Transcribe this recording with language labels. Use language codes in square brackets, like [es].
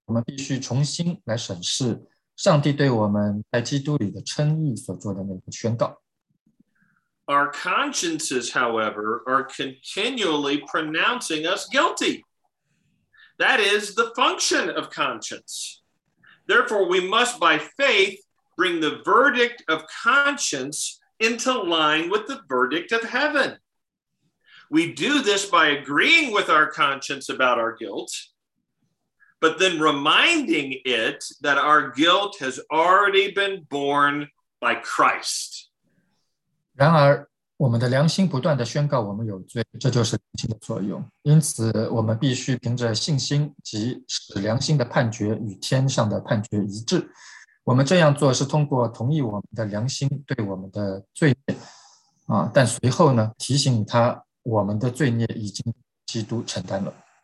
[zh] 我们必须重新来审视上帝对我们在基督里的称义所做的那个宣告。 [en] Our consciences, however, are continually pronouncing us guilty. That is the function of conscience. Therefore, we must by faith bring the verdict of conscience into line with the verdict of heaven. We do this by agreeing with our conscience about our guilt, but then reminding it that our guilt has already been borne by Christ. [zh] 然而，我们的良心不断地宣告我们有罪，这就是良心的作用。因此，我们必须凭着信心及使良心的判决与天上的判决一致。我们这样做是通过同意我们的良心对我们的罪孽，但随后呢，提醒他我们的罪孽已经基督承担了。